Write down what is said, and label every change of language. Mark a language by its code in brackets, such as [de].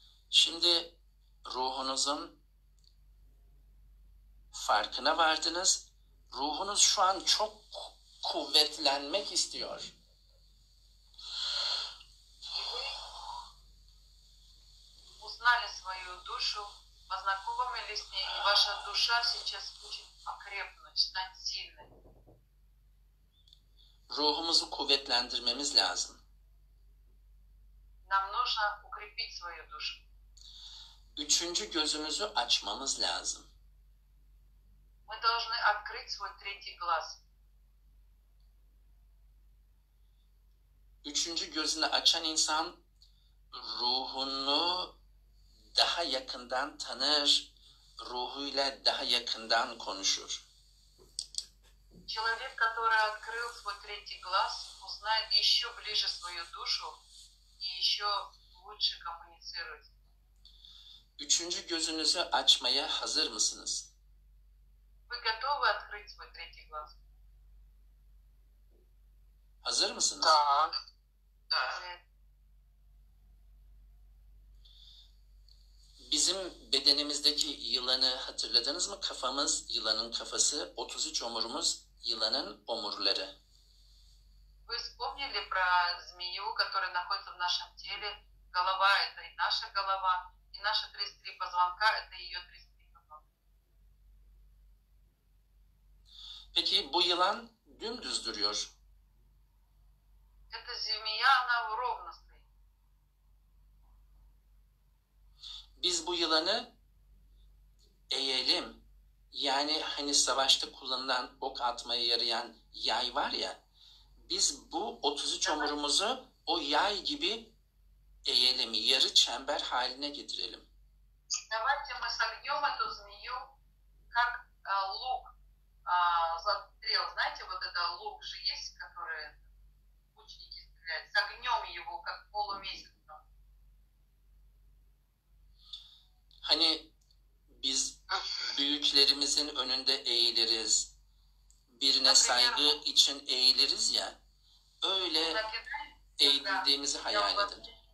[tr] Şimdi ruhunuzun farkına vardınız. Ruhunuz şu an çok kuvvetlenmek istiyor. [ru] Узнали свою душу, познакомились с ней, и ваша душа сейчас хочет окрепнуть, стать сильной. [tr] Ruhumuzu kuvvetlendirmemiz lazım. [ru] Нам нужно укрепить свою душу. [tr] Üçüncü gözümüzü açmamız lazım. [ru] мы должны открыть свой третий глаз. [tr] Üçüncü gözünü açan insan ruhunu daha yakından tanır, ruhuyla daha yakından konuşur. [ru] Человек, который открыл свой третий глаз, узнает еще ближе свою душу и еще лучше коммуницирует. [tr] Üçüncü gözünüzü açmaya hazır mısınız? [ru] Вы готовы открыть свой третий глаз? [tr] Hazır mısınız? [ru] Да. [tr] Bizim bedenimizdeki yılanı hatırladınız mı? Kafamız yılanın kafası, 33 omurumuz yılanın omurları. [ru] Вы вспомнили про змею, которая находится в нашем теле? Голова – это и наша голова, и наши 33 позвонка – это ее 33 позвонка. [tr] Peki bu yılan dümdüz duruyor. [ru] Эта змея, она ровно стоит. [tr] Biz bu yılanı eğelim. Yani hani savaşta kullanılan ok atmaya yarayan yay var ya, biz bu 33 omurumuzu o yay gibi eğelim, yarı çember haline getirelim. [ru] Давайте мы согнём эту змею как лук. Застрел, знаете, вот это лук же есть, который лучники стреляют. Согнём его как полумесяц. [tr] Hani biz büyüklerimizin önünde eğiliriz. Birine saygı için eğiliriz ya. Öyle eğildiğimizi hayal edin.